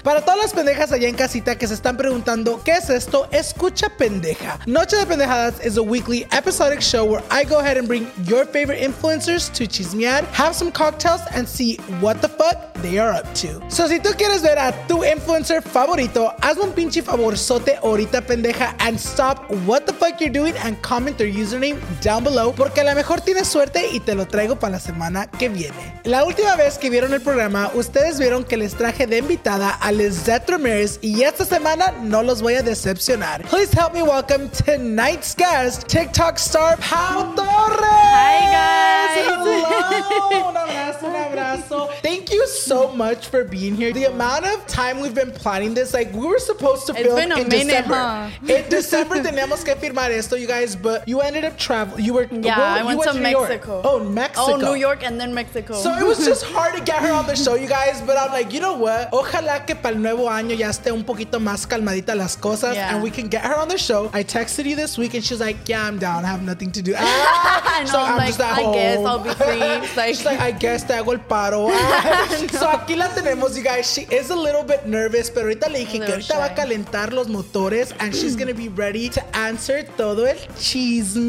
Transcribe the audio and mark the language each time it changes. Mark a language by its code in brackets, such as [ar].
[es] Para todas las pendejas allá en casita que se están preguntando, ¿qué es esto? Escucha pendeja. [en] Noche de Pendejadas is a weekly episodic show where I go ahead and bring your favorite influencers to chismear, have some cocktails, and see what the fuck they are up to. [es] So si tú quieres ver a tu influencer favorito, hazme un pinche favorzote ahorita, pendeja, [en] and stop what the fuck you're doing and comment their username down below, [es] porque a lo mejor tienes suerte y te lo traigo para la semana que viene. La última vez que vieron el programa, ustedes vieron que les traje de invitada a Lizette Ramirez y esta semana no los voy a decepcionar. [en] Please help me welcome tonight's guest, TikTok star Pau Torres. Hi guys. Hello. [es] Un abrazo. [en] Thank you so much for being here. The amount of time we've been planning this, like we were supposed to film in December. In December [es] teníamos que firmar esto, [en] you guys, but you ended up traveling. I went to Mexico. Oh, New York and then Mexico. So it was just hard to get her on the show, you guys. But I'm like, you know what? [es] Ojalá que para el nuevo año ya esté un poquito más calmadita las cosas. [en] Yeah. And we can get her on the show. I texted you this week and she's like, yeah, I'm down. I have nothing to do. And so I'm like, just at home. I guess I'll be free. She's like, I guess [es] te hago el paro. [en] So [es] aquí la tenemos, [en] you guys. She is a little bit nervous, [es] pero ahorita le dije que ahorita va a calentar los motores [en] and she's going to be ready to answer [es] todo el chisme.